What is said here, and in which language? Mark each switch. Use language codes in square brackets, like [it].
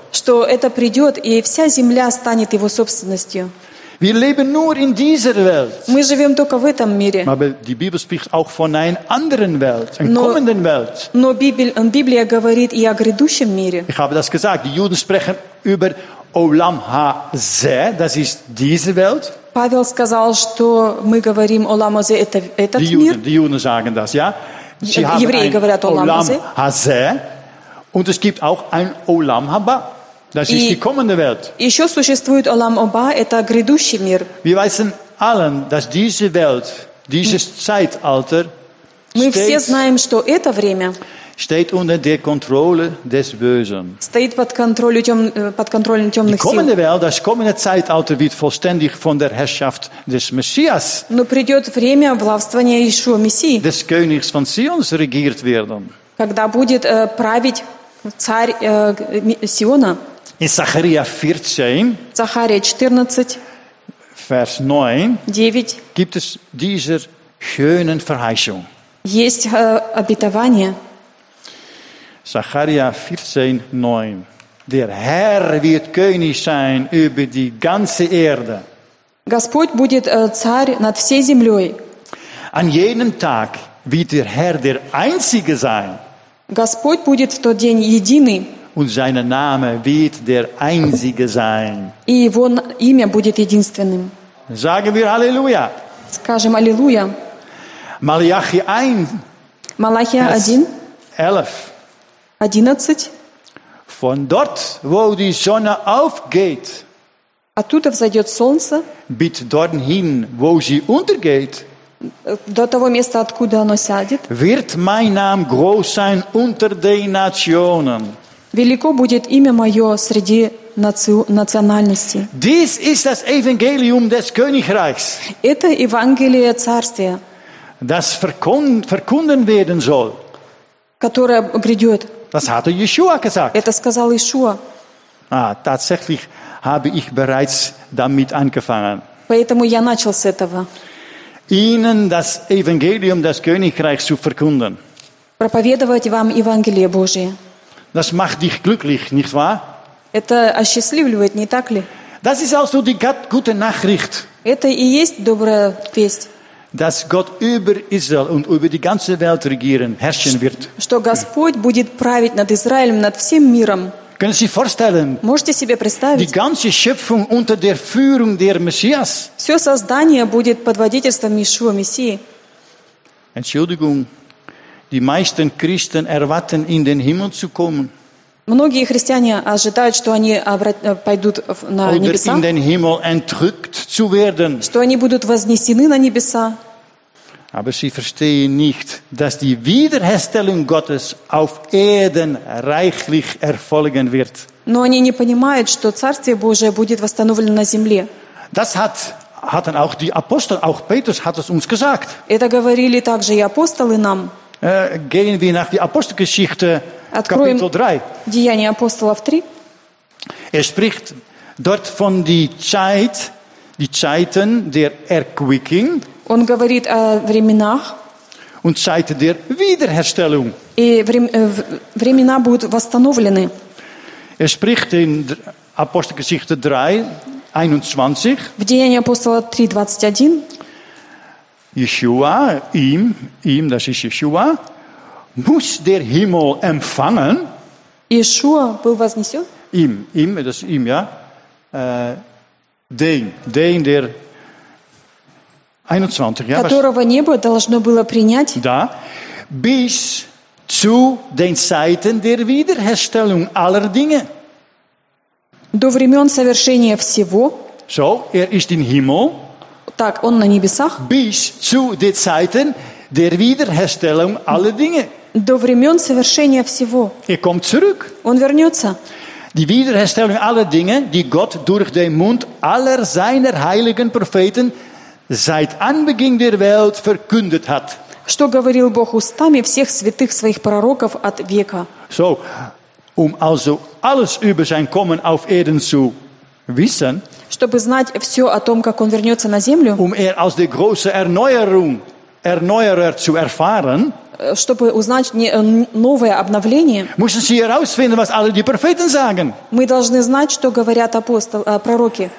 [ru] Что это придет, и вся земля станет его собственностью. [de] Wir leben nur in dieser Welt. [ru] Мы живем только в этом мире. [de] Aber die Bibel spricht auch von einer anderen Welt, einer kommenden Welt. [ru] Но Библия говорит и о грядущем мире. [de] Ich habe das gesagt. Die Juden sprechen über Olam HaZeh, das ist diese Welt. [ru] Павел сказал, что мы говорим Олам Азе, это этот [de] die [ru] мир. [de] Die Juden sagen das, ja? Sie haben [ru] Евреи говорят Олам Азе. [de] Und es gibt auch ein Олам Хаба. Das ist die kommende Welt. [ru] Еще существует Олам Оба, это грядущий мир. [de] Wir wissen allen, dass diese Welt, dieses Zeitalter, [ru] мы все знаем, что это время [de] steht unter der Kontrolle des Bösen. Steht [ru] под контролем темных сил. [de] Die kommende Welt, das kommende Zeitalter wird vollständig von der Herrschaft des Messias. [ru] Но придет время властвования Иешуа Мессии. [de] Des Königs von Zion regiert werden. [ru] Когда будет править царь Сиона. [de] In Zacharia 14, Zacharia 14, Vers 9, gibt es diese schönen Verheißung. [ru] Есть обетование. [de] Zacharia 14, 9. Der Herr wird König sein über die ganze Erde. [ru] Господь будет царь над всей землей. [de] An jenem Tag wird der Herr der Einzige sein. [ru] Господь будет в тот день единый. [de] Und sein Name wird der Einzige sein. [ru] И его имя будет единственным. [de] Sagen wir Halleluja. [ru] Скажем Аллилуйя. [de] Malachi 1. Malachi 1. 11. 11. Von dort, wo die Sonne aufgeht. [ru] Оттуда взойдет солнце. [de] Bis dorthin, wo sie untergeht. [ru] До того места, откуда оно сядет. [de] Wird mein Name groß sein unter den Nationen. [ru] Велико будет имя мое среди национальностей. [de] Dies ist das Evangelium des Königreichs. [ru] Это Евангелие Царствия. [de] Das verkunden werden soll. [ru] Которое грядет. [de] Das hatte Yeshua gesagt. [ru] Это сказал Иешуа. [de] Ah, tatsächlich habe ich bereits damit angefangen. [ru] Поэтому я начал с этого. [de] Ihnen das Evangelium des Königreichs zu verkünden. [ru] Проповедовать вам Евангелие Божие. [de] Das macht dich glücklich, nicht wahr? [ru] Это осчастливливает, не так ли? [de] Das ist also die gute Nachricht. [ru] Это и есть добрая весть. [de] Dass Gott über Israel und über die ganze Welt regieren, herrschen wird. [ru] Что Господь будет править над Израилем, над всем миром. [de] Können Sie vorstellen? [ru] Можете себе представить? [de] Die ganze Schöpfung unter der Führung der Messias. [ru] Все создание будет под водительством Иешуа Мессии. [de] Entschuldigung, die meisten Christen erwarten, in den Himmel zu kommen. [ru] Многие христиане ожидают, что они пойдут на небеса. [de] In den Himmel entrückt zu werden. [ru] Что они будут вознесены на небеса. [de] Aber sie verstehen nicht, dass die Wiederherstellung Gottes auf Erden reichlich erfolgen wird. [ru] Но они не понимают, что Царствие Божие будет восстановлено на земле. [de] Das hatten auch die Apostel, auch Petrus hat es uns gesagt. [ru] Это говорили также и апостолы нам. [de] gehen wir nach die Apostelgeschichte, Kapitel 3. [ru] Деяния апостолов 3. [de] Er spricht dort von die Zeiten der Erquicking. [ru] Он говорит о временах. [de] Und Zeiten der Wiederherstellung. [ru] И времена будут восстановлены. [de] Er spricht in Apostelgeschichte 3, 21. [ru] В Деяния апостола 3, 21. [de] Yeshua, ihm, das ist Yeshua, muss der Himmel empfangen. [ru] Yeshua был вознесен? [de] Ihm, das ist ihm, ja. Den, der 21, ja. [ru] Которого небо должно было принять. Да. [de] Bis zu den Zeiten der Wiederherstellung aller Dinge. [ru] До времен совершения всего. [de] So, er ist im Himmel. [ru] Так, он на небесах. [de] Bis zu den Zeiten der Wiederherstellung aller Dinge. [ru] До времен совершения всего. [de] Er kommt zurück. [ru] Он вернется. [de] Die Wiederherstellung aller Dinge, die Gott durch den Mund aller seiner heiligen Propheten seit Anbeginn der Welt verkündet hat. [ru] Что говорил Бог устами всех святых своих пророков от века. [de] So, also alles über sein Kommen auf Erden zu wissen, [ru] чтобы знать все о том, как он вернется на землю, [de] als die große Erneuerer zu erfahren, [ru] чтобы узнать новое обновление, [de] müssen sie herausfinden, was alle die Propheten sagen. [ru] Мы должны знать, что говорят пророки.